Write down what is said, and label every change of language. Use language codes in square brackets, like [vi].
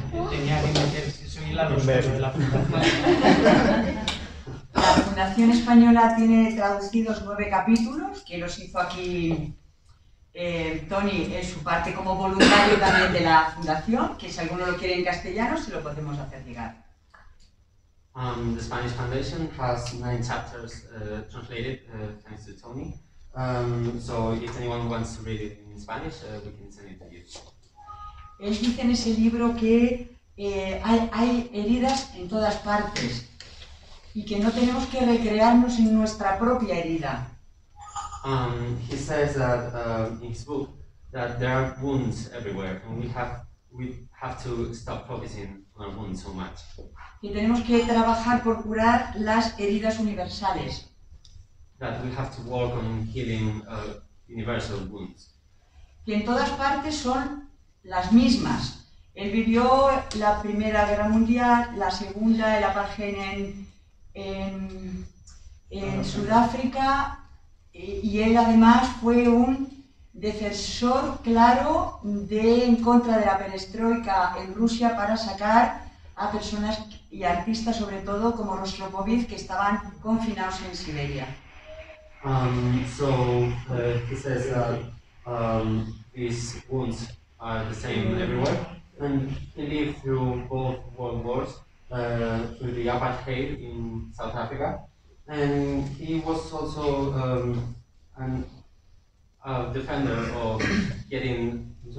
[es] Tenía que meter, soy el lado de la Fundación. La Fundación Española tiene traducidos 9 capítulos que los hizo aquí Tony en su parte como voluntario también de la fundación, que si alguno lo quiere en castellano, se lo podemos hacer llegar. [en] The Spanish Foundation has 9 chapters translated thanks to Tony. So if anyone wants to read it in Spanish, we can send it to you. [es] Él dice en ese libro que hay heridas en todas partes y que no tenemos que recrearnos en nuestra propia herida. [en] He says that in his book that there are wounds everywhere, and we have to stop focusing on our wounds so much. [es] Y tenemos que trabajar por curar las heridas universales. [en] That we have to work on healing universal wounds. [es] Que en todas partes son las mismas. Él vivió la Primera Guerra Mundial, la Segunda, el apartheid en Sudáfrica. Y él además fue un defensor claro de en contra de la perestroika en Rusia para sacar a personas y artistas sobre todo como Rostropovich que estaban confinados en Siberia. [en] He says that his wounds are the same everywhere, and he lived through both world wars, through the apartheid in South Africa, and he was also and a defender of getting,